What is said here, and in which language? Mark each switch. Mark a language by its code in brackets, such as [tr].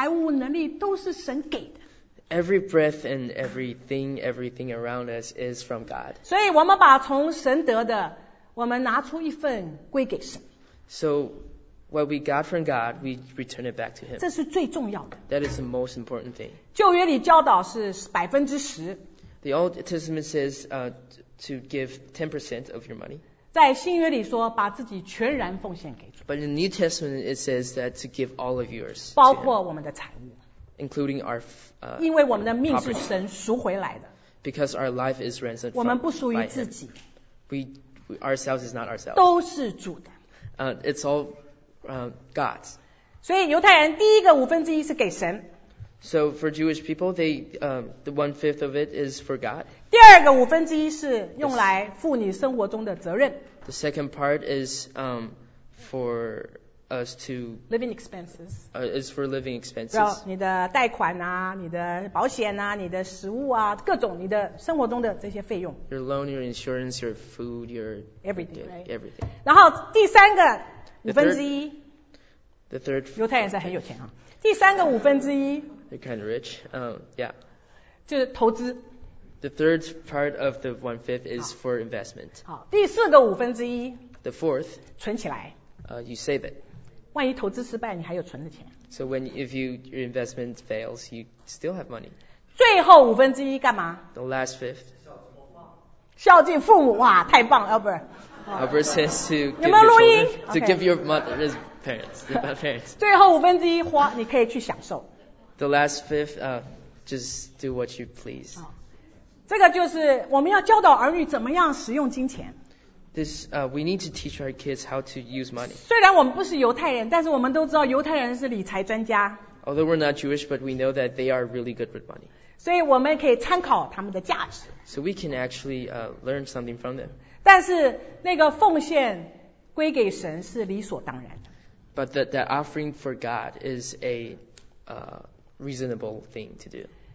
[zh] 我们知不知道我所有的生命气息财务能力都是神给的, [en] every breath and everything, everything around us is from God. [zh] 所以我们把从神得的, 我们拿出一份归给神, [en] so what we got from God, we return it back to him. [zh] 这是最重要的, [en] that is the most important thing. [zh] 旧约里教导是10%, [en] the Old Testament says to give 10% of your money. [zh] 在新约里说, [en] but in the New Testament it says that to give all of yours, [zh] 包括我们的财务, [en] including our [zh] 因为我们的命是神赎回来的, [en] because our life is ransomed. [zh] 我们不属于自己, [en] we ourselves is not ourselves. [zh] 都是主的, [en] it's all God's. [zh] 所以犹太人第一个五分之一是给神, [en] so for Jewish people, they the one fifth of it is for God. [zh] 第二个五分之一是用来付你生活中的责任, [en] the second part is for us to living expenses, is for living expenses. 你的贷款啊, 你的保险啊, 你的食物啊, 各种你的生活中的这些费用, your loan, your insurance, your food, your everything, right? [zh] 然后第三个五分之一, [en] the third [zh] 犹太人是很有钱啊, 第三个五分之一, [en] they're kind of rich. Yeah. [zh] 就是投资, [en] the third part of the one fifth is for investment. [zh] 好,第四个五分之一, [en] the fourth, [zh] 存起来, [en] you save it. [zh] 万一投资失败, 你还有存的钱, [en] so when if you your investment fails, you still have money. [zh] 最后五分之一, 干嘛? [en] The last fifth. [zh] 孝敬父母, 哇, 太棒, Albert. [en] Albert says to give your children, to give your mother his parents. parents. [zh] 最后五分之一, 花, 你可以去享受, [en] the last fifth, just do what you please. [zh] 这个就是我们要教导儿女怎么样使用金钱, [en] this, we need to teach our kids how to use money. [zh] 虽然我们不是犹太人, 但是我们都知道犹太人是理财专家, [en] although we're not Jewish, but we know that they are really good with money. [zh] 所以我们可以参考他们的价值, [en] so we can actually learn something from them. [zh] 但是那个奉献归给神是理所当然的, [en] but that offering for God is a reasonable thing to do.